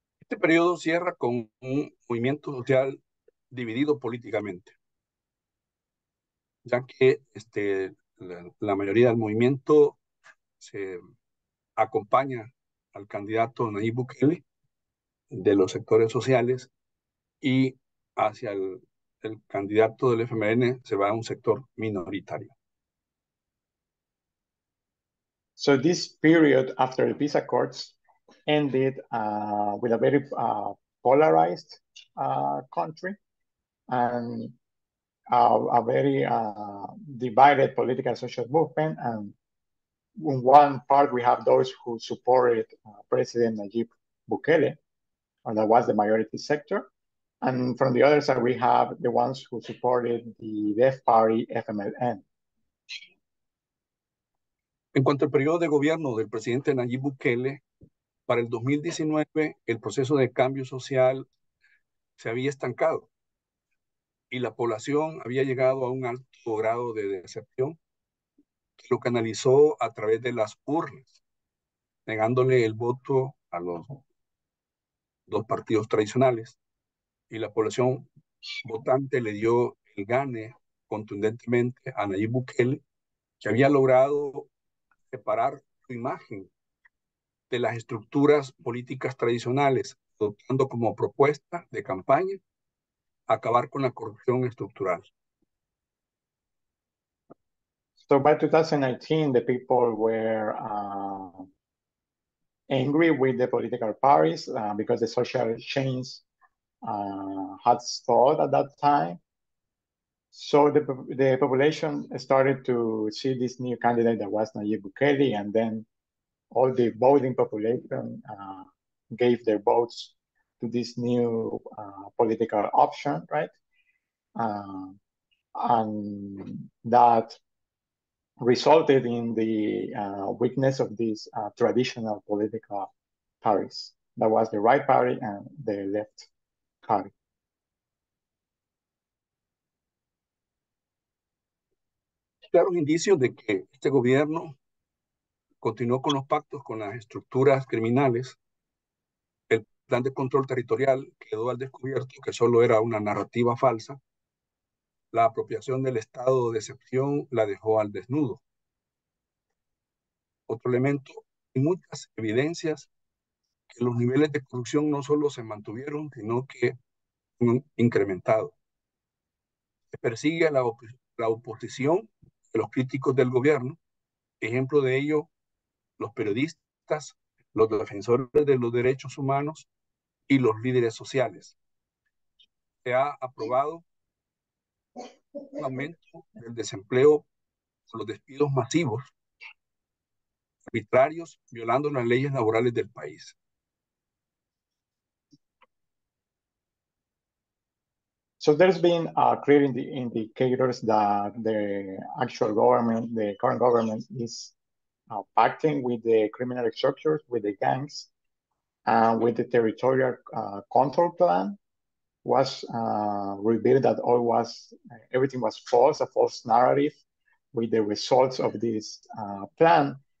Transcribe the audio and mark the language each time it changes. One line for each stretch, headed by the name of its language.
Spanish: Este periodo cierra con un movimiento social dividido políticamente, ya que la mayoría del movimiento se acompaña al candidato Nayib Bukele de los sectores sociales y hacia el candidato del FMLN se va a un sector minoritario.
English: So this period after the peace accords ended with a very polarized country and a very divided political social movement. And in one part, we have those who supported President Nayib Bukele, and that was the majority sector. And from the other side, we have the ones who supported the Death Party FMLN.
Spanish: En cuanto al periodo de gobierno del presidente Nayib Bukele, para el 2019, el proceso de cambio social se había estancado y la población había llegado a un alto grado de decepción que lo canalizó a través de las urnas, negándole el voto a los dos partidos tradicionales. Y la población votante le dio el gane contundentemente a Nayib Bukele, que había logrado separar su imagen de las estructuras políticas tradicionales, adoptando como propuesta de campaña acabar con la corrupción estructural.
English: So by 2019, the people were angry with the political parties because the social change had stalled at that time. So the population started to see this new candidate that was Nayib Bukele, and then all the voting population gave their votes to this new political option, right? And that resulted in the weakness of this traditional political parties. That was the right party and the left party.
Spanish: Claros indicios de que este gobierno continuó con los pactos con las estructuras criminales. El plan de control territorial quedó al descubierto que solo era una narrativa falsa. La apropiación del estado de excepción la dejó al desnudo. Otro elemento, hay muchas evidencias que los niveles de corrupción no solo se mantuvieron, sino que han incrementado. Se persigue a la oposición de los críticos del gobierno. Ejemplo de ello, los periodistas, los defensores de los derechos humanos y los líderes sociales. Se ha aprobado un aumento del desempleo por los despidos masivos, arbitrarios, violando las leyes laborales del país.
English: So there's been clear indicators that the actual government, the current government, is pacting with the criminal structures, with the gangs, and with the territorial control plan was revealed that all was, everything was false, a false narrative with the results of this plan.